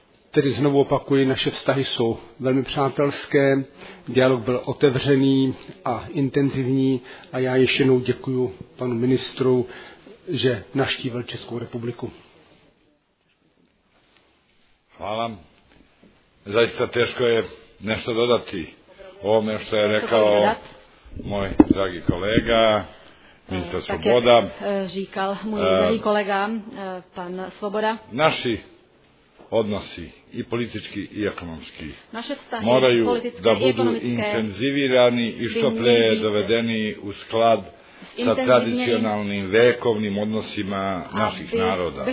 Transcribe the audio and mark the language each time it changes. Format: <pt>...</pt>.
<cs>Tedy znovu opakuji, naše vztahy jsou velmi přátelské, dialog byl otevřený a intenzivní a já ještě jednou děkuji panu ministru, že navštívil Českou republiku.</cs> <sr>Hvala. Zaista teško je nešto dodati ovome što je rekao moj dragi kolega, ministar Svoboda.</sr> <cs>Říkal můj dragi kolega, pan Svoboda.</cs> <sr>Naši odnosi i politički i ekonomski moraju da budu intenzivirani i što pre dovedeni u sklad sa tradicionalnim vekovnim odnosima naših naroda.</sr>